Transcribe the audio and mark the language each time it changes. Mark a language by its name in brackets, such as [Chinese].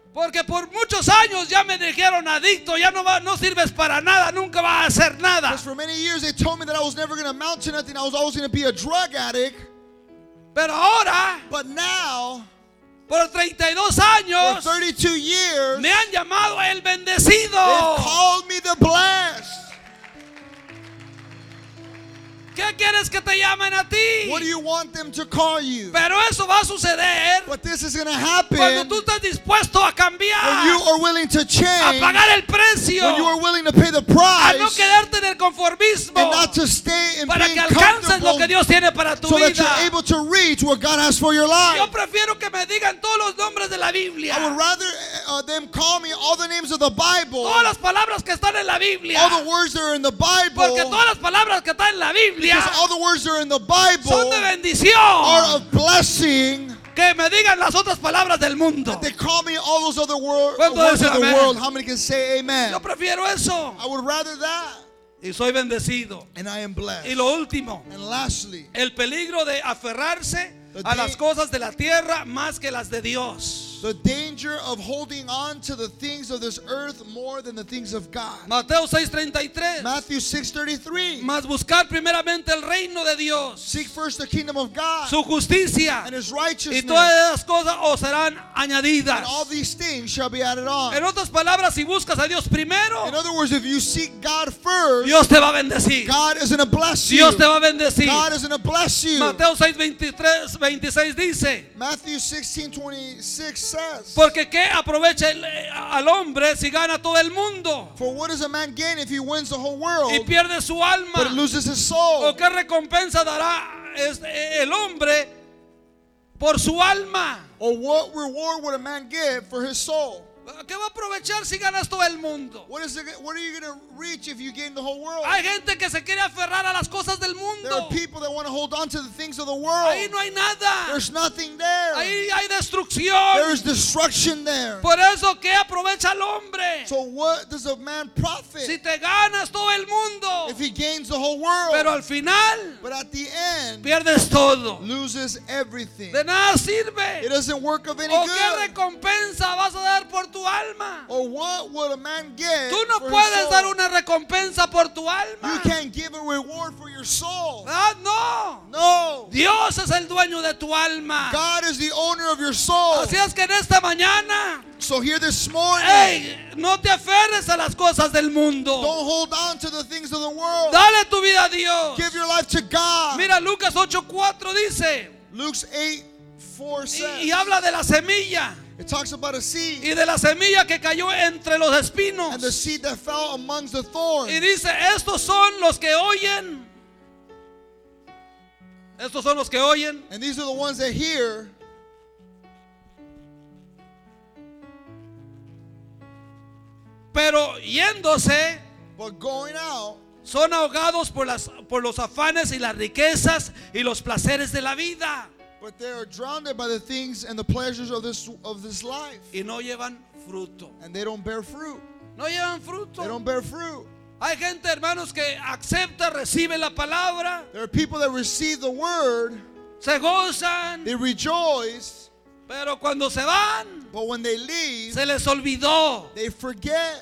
[Spanish] Porque por muchos años ya me dijeron adicto, ya no sirves para nada, nunca vas a hacer nada. [English] Because for many years they told me that I was never going to amount to nothing, I was always going to be a drug addict. [Spanish] Pero ahora, [English] but now, [Spanish] por 32 años, [English] for 32 years, [Spanish] me han llamado el bendecido. [English] They've called me the blessed. [Spanish] ¿Qué quieres que te llamen a ti? [English] What do you want them to call you? [Spanish] Pero eso va a suceder. [English] But this is going to happen. [Spanish] Cuando tú estás dispuesto a cambiar. [English] When you are willing to change. [Spanish] A pagar el precio. [English] When you are willing to pay the price. [Spanish] A no quedarte en el conformismo. [English] And not to stay in [Spanish] para [English] being [Spanish] que alcances lo que Dios tiene para tu [English] so [Spanish] vida. [English] So that you're able to reach what God has for your life. [Spanish] Yo prefiero que me digan todos los nombres de la Biblia. [English] I would rather them call me all the names of the Bible. [Spanish] Todas las palabras que están en la Biblia. [English] All the words that are in the Bible. [Spanish] Porque todas las palabras que están en la Biblia. [English] Because all the words that are in the Bible [Spanish] son de bendición. [English] Are of blessing. [Spanish] Que me digan las otras palabras del mundo. [English] That they call me all those other words of the [Spanish] amen? [English] World. How many can say amen? [Spanish] Yo prefiero eso. [English] I would rather that. [Spanish] Y soy bendecido. [English] And I am blessed. [Spanish] Y lo último. [English] And lastly, [Spanish] el peligro de aferrarse a las cosas de la tierra más que las de Dios. [English] The danger of holding on to the things of this earth more than the things of God. [Spanish] Mateo 6:33. [English] Matthew 6:33. [Spanish] Mas buscar primeramente el reino de Dios. [English] Seek first the kingdom of God. [Spanish] Su justicia. [English] And his righteousness. [Spanish] Y todas las cosas os serán añadidas. [English] And all these things shall be added on. [Spanish] En otras palabras, si buscas a Dios primero. [English] In other words, if you seek God first. [Spanish] Dios te va a bendecir. [English] God is going to bless you. [Spanish] Dios te va a bendecir. [English] God is going to bless you. [Spanish] Mateo 6:23-26 dice. [English] Matthew 16:26. [Spanish] Porque qué aprovecha al hombre si gana todo el mundo? [English] For what does a man gain if he wins the whole world? [Spanish] Y pierde su alma. [English] But loses his soul. [Spanish] ¿O qué recompensa dará el hombre por su alma? [English] Or what reward would a man give for his soul? [Spanish] ¿Qué va a aprovechar si ganas todo el mundo? [English] What are you going to reach if you gain the whole world? [Spanish] Hay gente que se quiere aferrar a las cosas del mundo. [English] There are people that want to hold on to the things of the world. [Spanish] Ahí no hay nada. [English] There's nothing there. [Spanish] Ahí hay destrucción. [English] There's destruction there. [Spanish] Por eso, ¿qué aprovecha el hombre? [English] So what does a man profit? [Spanish] Si te ganas todo el mundo. [English] If he gains the whole world. [Spanish] Pero al final. [English] But at the end. [Spanish] Pierdes todo. [English] Loses everything. [Spanish] De nada sirve. [English] It doesn't work of any [Spanish] ¿O [English] good. [Spanish] ¿O qué recompensa vas a dar por tu alma? [English] Or what will a man get? [Spanish] Tú no [English] for [Spanish] puedes [English] his soul? [Spanish] Dar una recompensa por tu alma. [English] You can't give a reward for your soul. [Spanish] Ah, no. [English] No. [Spanish] Dios es el dueño de tu alma. [English] God is the owner of your soul. [Spanish] Así es que en esta mañana. [English] So here this morning. [Spanish] Hey, no te aferres a las cosas del mundo. [English] Don't hold on to the things of the world. [Spanish] Dale tu vida a Dios. [English] Give your life to God. [Spanish] Mira Lucas 8:4 dice. [English] Luke 8:4 says. [Spanish] Y habla de la semilla. [English] It talks about a seed. [Spanish] Y de la semilla que cayó entre los espinos. [English] And the seed that fell amongst the thorns. [Spanish] Y dice, estos son los que oyen. Estos son los que oyen. [English] And these are the ones that hear. [Spanish] Pero yéndose. [English] But going out. [Spanish] Son ahogados por los afanes y las riquezas y los placeres de la vida. [English] But they are drowned by the things and the pleasures of this life. [Spanish] Y no llevan fruto. [English] And they don't bear fruit. [Spanish] No llevan fruto. [English] They don't bear fruit. [Spanish] Hay gente, hermanos, que acepta, recibe la palabra. [English] There are people that receive the word. [Spanish] Se gozan. [English] They rejoice. [Spanish] Pero cuando se van, [English] but when they leave, [Spanish] se les olvidó. [English] They forget.